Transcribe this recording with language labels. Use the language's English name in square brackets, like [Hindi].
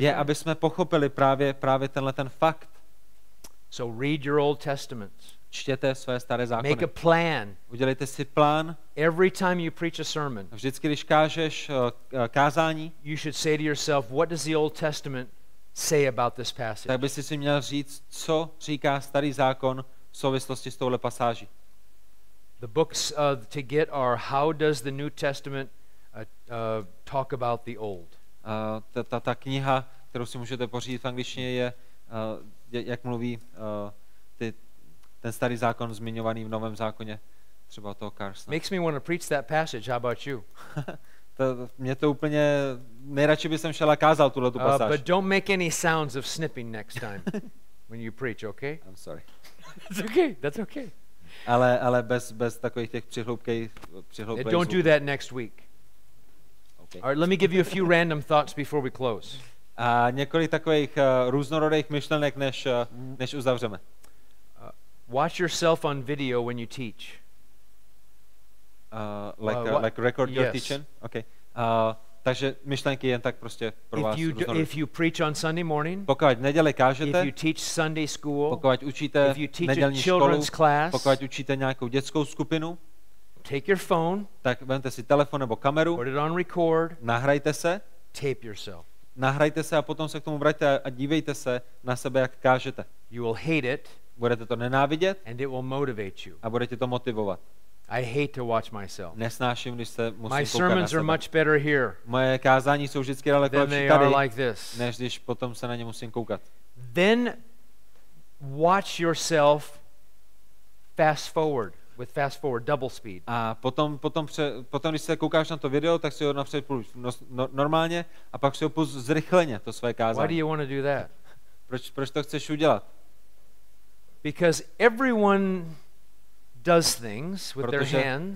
[Czech] fact. Aby jsme pochopili právě tenhle ten fakt. [English] So read your Old Testament. [Czech] Čtěte své staré zákony. [English] Make a plan. [Czech] Udělejte si plán. [English] Every time you preach a sermon. [Czech] Vždycky, když kážeš kázání. [English] You should say to yourself, what does the Old Testament say about this passage? [Czech] Tak bys si měl říct, co říká starý zákon v souvislosti s touhle pasáží. [English] The books to get are how does the New Testament talk about the old? [Czech] Ta kniha, kterou si můžete pořídit v angličtině, je jak mluví ten starý zákon zmiňovaný v Novém zákoně, třeba toho Carsona. [English] Makes me want to preach that passage. How about you? [Czech] Mě to úplně nejradši bych šel a kázal tuhle tu pasáž. [English] But don't make any sounds of snipping next time when you preach, okay? I'm sorry. It's okay. That's okay. [Czech] Ale bez takových těch přihloupkých. [English] Don't do that next week. Okay. All right, let me give you a few random thoughts before we close. [Czech] A několik takových různorodých myšlenek, než uzavřeme. [English] Watch yourself on video when you teach. Like record your teaching? Okay. [Czech] Takže myšlenky jen tak prostě pro vás různorodé. [English] If you preach on Sunday morning, [Czech] pokud neděli kážete, [English] if you teach Sunday school, [Czech] pokud učíte [English] if you teach nedělní children's [Czech] školu, [English] class, [Czech] pokud učíte nějakou dětskou skupinu, [English] take your phone, [Czech] tak vemte si telefon nebo kameru, [English] put it on record, [Czech] nahrajte se, [English] tape yourself. [Czech] Nahrajte se a potom se k tomu vraťte a dívejte se na sebe, jak kážete. [English] You will hate it, [Czech] budete to nenávidět, [English] and it will motivate you. [Czech] A budete to motivovat. [English] I hate to watch myself. [Czech] Nesnáším, když se musím [English] my sermons are much better here. [Czech] Moje kázání jsou vždycky daleko lepší tady, [English] are like this. [Czech] Než když potom se na ně musím koukat. [English] Then watch yourself fast forward. With fast forward double speed. [Czech] A potom když se koukáš na to video, tak si ho napřed půjdeš normálně a pak si ho půjdeš zrychleně to své kázání. [English] Why do you want to do that? [Czech] Proč to chceš udělat? [English] Because everyone does things with their hands.